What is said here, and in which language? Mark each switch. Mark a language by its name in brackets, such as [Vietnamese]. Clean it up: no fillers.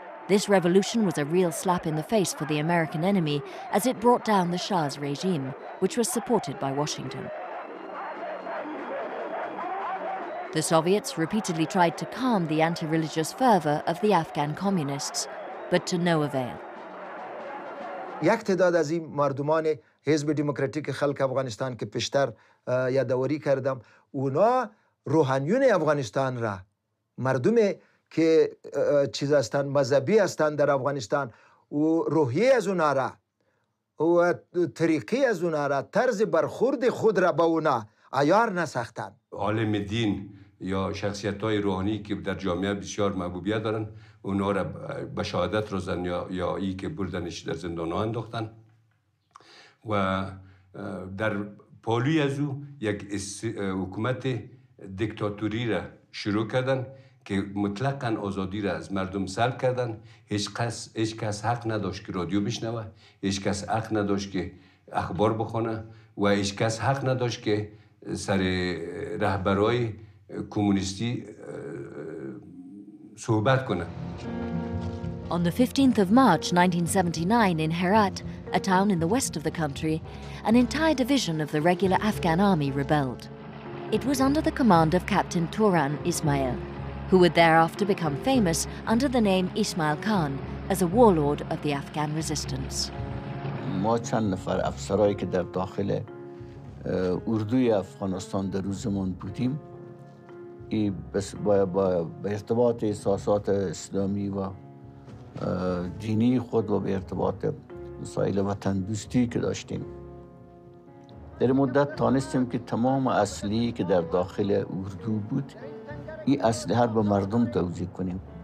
[English] This revolution was a real slap in the face for the American enemy as it brought down the Shah's regime, which was supported by Washington. The Soviets repeatedly tried to calm the anti-religious fervor of the Afghan communists, but to no avail. [Persian] یک تعداد از این مردمان حزب دموکراتیک خلق افغانستان که پیشتر یادآوری کردم اونا روحانیون افغانستان را مردم که چیز هستند مذهبی هستند در افغانستان و روحیه از اونا را و طریقی از اونا را طرز برخورد خود را با اونا عیار نساختند. عالم دین یا شخصیت های روحانی که در جامعه بسیار محبوبیت دارن اونا را به شهادت رسان یا ای که بردنش در زندان ها انداختن و در پالوی از او یک حکومت دکتاتوری را شروع کردن که مطلقاً آزادی را از مردم سلب کردن. هیچ کس حق نداشت که رادیو بشنوه، هیچ کس حق نداشت که اخبار بخونه و هیچ کس حق نداشت که سر رهبرای کمونیستی صحبت کنه. [English] On the 15th of March 1979 in Herat, a town in the west of the country, an entire division of the regular Afghan army rebelled. It was under the command of Captain Turan Ismail, who would thereafter become famous under the name Ismail Khan as a warlord of the Afghan resistance. [Persian] ما چند نفر افسرایی که در داخل اردوی افغانستان در روزمون بودیم ای بس با ارتباط احساسات اسلامی و دینی خود و به ارتباط مسائل وطن دوستی که داشتیم در مدت تانستیم که تمام اصلی که در داخل اردو بود این اسلحه رو به مردم توزیع کنیم.